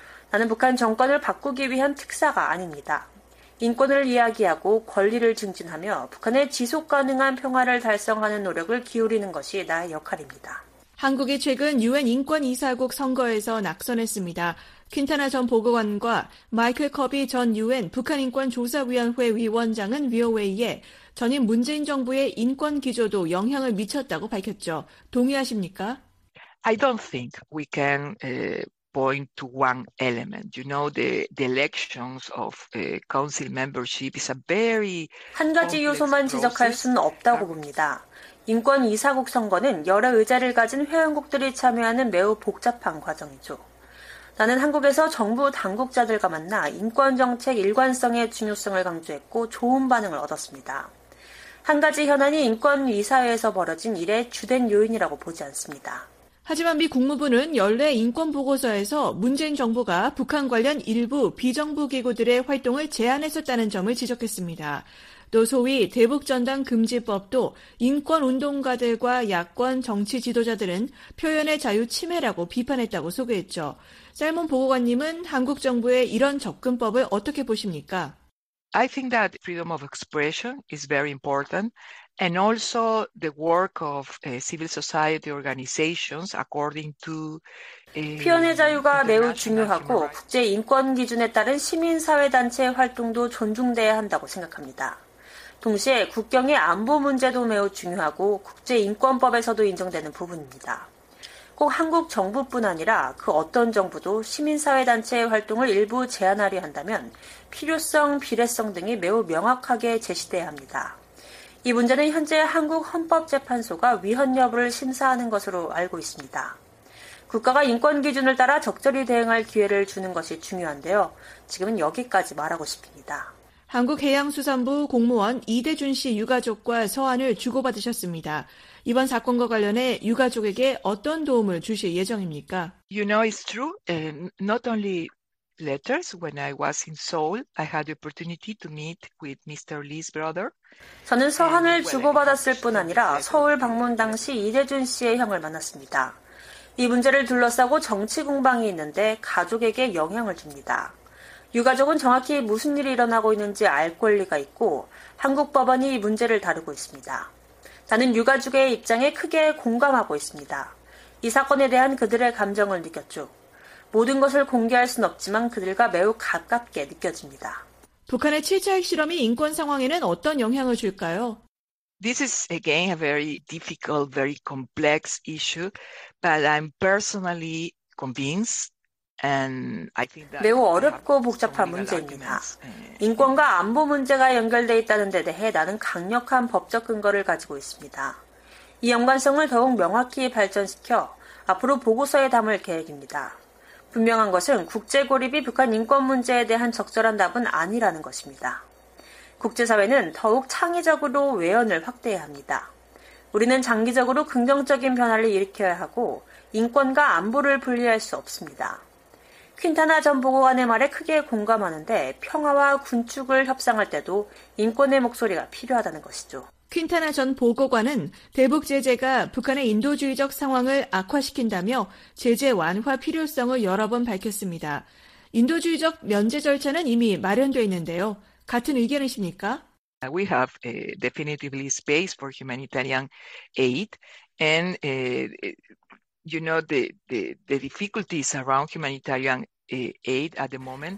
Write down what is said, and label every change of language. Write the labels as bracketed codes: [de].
[ko] 나는 북한 정권을 바꾸기 위한 특사가 아닙니다. 인권을 이야기하고 권리를 증진하며 북한의 지속 가능한 평화를 달성하는 노력을 기울이는 것이 나의 역할입니다. 한국이 최근 유엔 인권이사국 선거에서 낙선했습니다. 퀸타나 전 보고관과 마이클 커비 전 유엔 북한인권조사위원회 위원장은 VOA에 전임 문재인 정부의 인권 기조도 영향을 미쳤다고 밝혔죠. 동의하십니까? [en] I don't think we can point to one element. You know, the elections of council membership is a very [ko] 한 가지 요소만 지적할 수는 없다고 봅니다. 인권 이사국 선거는 여러 의자를 가진 회원국들이 참여하는 매우 복잡한 과정이죠. 나는 한국에서 정부 당국자들과 만나 인권 정책 일관성의 중요성을 강조했고 좋은 반응을 얻었습니다. 한 가지 현안이 인권 이사회에서 벌어진 일의 주된 요인이라고 보지 않습니다. 하지만 미 국무부는 연례 인권 보고서에서 문재인 정부가 북한 관련 일부 비정부 기구들의 활동을 제한했었다는 점을 지적했습니다. 또 소위 대북전단 금지법도 인권운동가들과 야권 정치 지도자들은 표현의 자유 침해라고 비판했다고 소개했죠. 셀몬 보고관님은 한국 정부의 이런 접근법을 어떻게 보십니까? [en] I think that freedom of expression is very important. And also the work of civil society organizations according to [ko] 표현의 자유가 매우 중요하고 국제 인권 기준에 따른 시민사회단체의 활동도 존중돼야 한다고 생각합니다. 동시에 국경의 안보 문제도 매우 중요하고 국제인권법에서도 인정되는 부분입니다. 꼭 한국 정부뿐 아니라 그 어떤 정부도 시민사회단체의 활동을 일부 제한하려 한다면 필요성, 비례성 등이 매우 명확하게 제시돼야 합니다. 이 문제는 현재 한국헌법재판소가 위헌 여부를 심사하는 것으로 알고 있습니다. 국가가 인권 기준을 따라 적절히 대응할 기회를 주는 것이 중요한데요. 지금은 여기까지 말하고 싶습니다. 한국해양수산부 공무원 이대준 씨 유가족과 서한을 주고받으셨습니다. 이번 사건과 관련해 유가족에게 어떤 도움을 주실 예정입니까? [en] You know, it's true. Not only letters. When I was in Seoul, I had the opportunity to meet with Mr. Lee's brother. [ko] 저는 서한을 주고받았을 뿐 아니라 서울 방문 당시 이대준 씨의 형을 만났습니다. 이 문제를 둘러싸고 정치 공방이 있는데 가족에게 영향을 줍니다. 유가족은 정확히 무슨 일이 일어나고 있는지 알 권리가 있고 한국 법원이 이 문제를 다루고 있습니다. 나는 유가족의 입장에 크게 공감하고 있습니다. 이 사건에 대한 그들의 감정을 느꼈죠. 모든 것을 공개할 순 없지만 그들과 매우 가깝게 느껴집니다. 북한의 7차 핵실험이 인권 상황에는 어떤 영향을 줄까요? [en] This is again a very difficult, very complex issue, but I'm personally convinced. And I think that [ko] 매우 어렵고 복잡한 문제입니다. 인권과 안보 문제가 연결되어 있다는 데 대해 나는 강력한 법적 근거를 가지고 있습니다. 이 연관성을 더욱 명확히 발전시켜 앞으로 보고서에 담을 계획입니다. 분명한 것은 국제 고립이 북한 인권 문제에 대한 적절한 답은 아니라는 것입니다. 국제사회는 더욱 창의적으로 외연을 확대해야 합니다. 우리는 장기적으로 긍정적인 변화를 일으켜야 하고 인권과 안보를 분리할 수 없습니다. 퀸타나 전 보고관의 말에 크게 공감하는데 평화와 군축을 협상할 때도 인권의 목소리가 필요하다는 것이죠. 퀸타나 전 보고관은 대북 제재가 북한의 인도주의적 상황을 악화시킨다며 제재 완화 필요성을 여러 번 밝혔습니다. 인도주의적 면제 절차는 이미 마련돼 있는데요. 같은 의견이십니까? [en] We have definitely space for humanitarian aid and you know the difficulties around humanitarian aid at the moment.